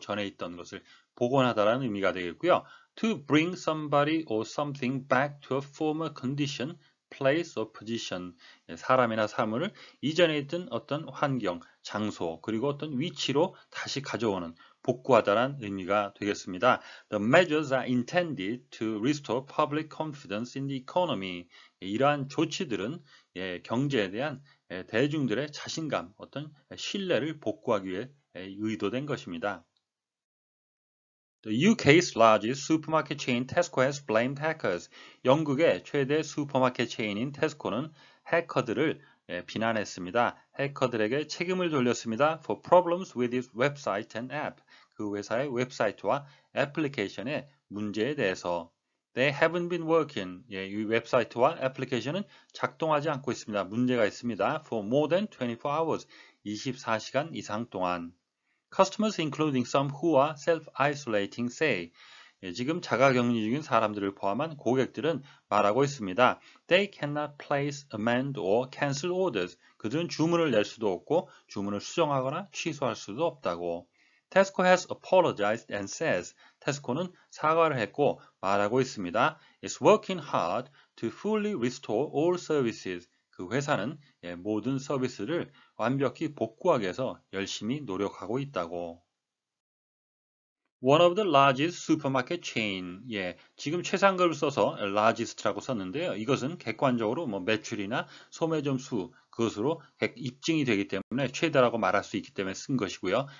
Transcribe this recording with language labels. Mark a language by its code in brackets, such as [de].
[ko] 전에 있던 것을 복원하다라는 의미가 되겠고요. [en] To bring somebody or something back to a former condition, place or position. [ko] 사람이나 사물을 이전에 있던 어떤 환경, 장소, 그리고 어떤 위치로 다시 가져오는, 복구하다라는 의미가 되겠습니다. [en] The measures are intended to restore public confidence in the economy. [ko] 이러한 조치들은 경제에 대한 대중들의 자신감, 어떤 신뢰를 복구하기 위해 의도된 것입니다. [en] The UK's largest supermarket chain Tesco has blamed hackers. [ko] 영국의 최대 슈퍼마켓 체인인 테스코는 해커들을 비난했습니다. 해커들에게 책임을 돌렸습니다. [en] For problems with its website and app. [ko] 그 회사의 웹사이트와 애플리케이션의 문제에 대해서. [en] They haven't been working. [ko] 이 웹사이트와 애플리케이션은 작동하지 않고 있습니다. 문제가 있습니다. [en] For more than 24 hours. [ko] 24시간 이상 동안. [en] Customers, including some who are self-isolating, say. [ko] 지금 자가격리 중인 사람들을 포함한 고객들은 말하고 있습니다. [en] They cannot place, amend, or cancel orders. [ko] 그들은 주문을 낼 수도 없고 주문을 수정하거나 취소할 수도 없다고. [en] Tesco has apologized and says. [ko] Tesco는 사과를 했고 말하고 있습니다. [en] It's working hard to fully restore all services. [ko] 그 회사는 모든 서비스를 완벽히 복구하기 위해서 열심히 노력하고 있다고. [en] One of the largest supermarket chain. [ko] 예, 지금 최상급을 써서 largest라고 썼는데요. 이것은 객관적으로 뭐 매출이나 소매점 수 그것으로 입증이 되기 때문에 최대라고 말할 수 있기 때문에 쓴 것이고요.